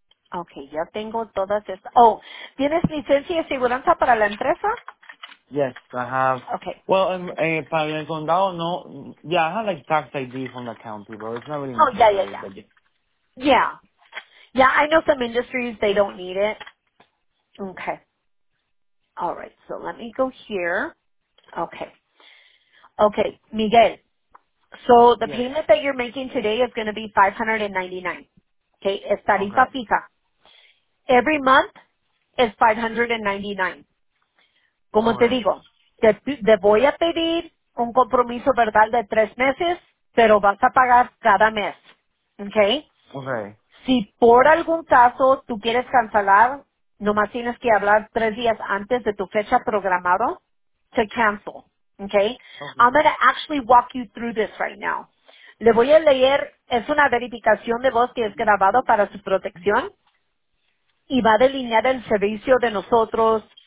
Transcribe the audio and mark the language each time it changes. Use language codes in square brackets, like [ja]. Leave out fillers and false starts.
[es] Okay, ya tengo todas estas. Oh, ¿tienes licencia de seguridad para la empresa? [en] Yes, I have. Okay. [es] Well, para el condado, no. [en] Yeah, I have, like, tax ID from the county, but it's not really... Oh, yeah. Yeah, I know some industries, they don't need it. Okay. All right, so let me go here. Okay, Miguel. So the yes. payment that you're making today is going to be $599. Okay, [es] es tarifa fija. [en] Every month is $599. [es] Como te digo, te voy a pedir un compromiso verbal de 3 meses, pero vas a pagar cada mes, ¿okay? [en] Okay. [es] Si por algún caso tú quieres cancelar, nomás tienes que hablar 3 días antes de tu fecha programada [en] to cancel, [es] ¿okay? [en] I'm going to actually walk you through this right now. [es] Le voy a leer, es una verificación de voz que es grabado para su protección y va a delinear el servicio de nosotros.